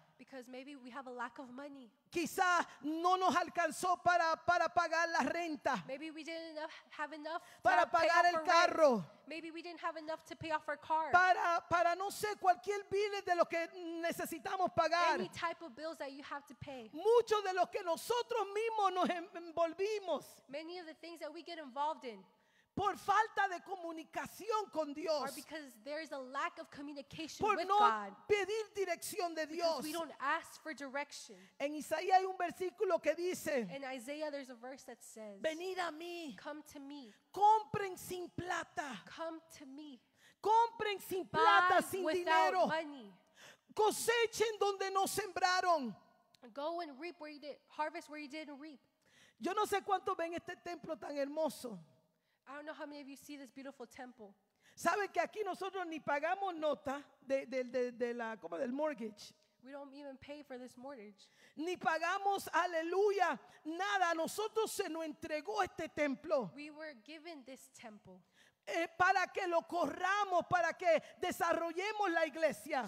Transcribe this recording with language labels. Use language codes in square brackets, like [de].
[en] Because maybe we have a lack of money. [es] Quizá no nos alcanzó para pagar la renta. [en] Maybe we didn't have enough [es] para pagar el carro. [en] Maybe we didn't have enough to pay off our car. [es] Para no sé cualquier bill de lo que necesitamos pagar. [en] Any type of bills that you have to pay. [es] Muchos de los que nosotros mismos nos envolvimos. [en] Many of the things that we get involved in. [es] Por falta de comunicación con Dios. [en] Or because there is a lack of communication [es] por [en] with [es] no [en] God. [es] Pedir dirección de Dios. [en] Because we don't ask for direction. [es] En Isaías hay un versículo que dice. [en] In Isaiah there's a verse that says. [es] Venid a mí. [en] Come to me. [es] Compren sin plata. [en] Come to me. [es] Compren sin [en] buy [es] plata, sin dinero. [en] Money. [es] Cosechen donde no sembraron. [en] Go and reap where you did, harvest where you didn't reap. [es] Yo no sé cuántos ven este templo tan hermoso. [en] I don't know how many of you see this beautiful temple. [es] ¿Saben que aquí nosotros ni pagamos nota de la como del mortgage? [en] We don't even pay for this mortgage. [es] Ni pagamos, aleluya, nada. Nosotros se nos entregó este templo. [en] We were given this temple. [es] Para que lo corramos, para que desarrollemos la iglesia.